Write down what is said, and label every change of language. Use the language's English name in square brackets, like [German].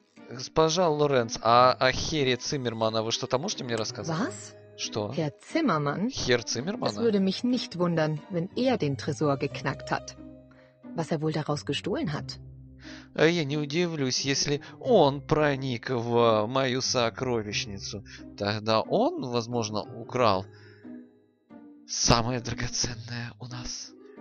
[Russian] Госпожа Лоренц, а о Хере Циммермана вы что-то можете мне рассказать? [German] Was? [Russian] Что? [German] Herr Zimmermann? [Russian] Хер Циммермана? [German] Es würde mich nicht wundern, wenn den Tresor geknackt hat. Was wohl daraus gestohlen hat? [Russian] Я не удивлюсь, если он проник в мою сокровищницу. Тогда он, возможно, украл самое драгоценное у нас.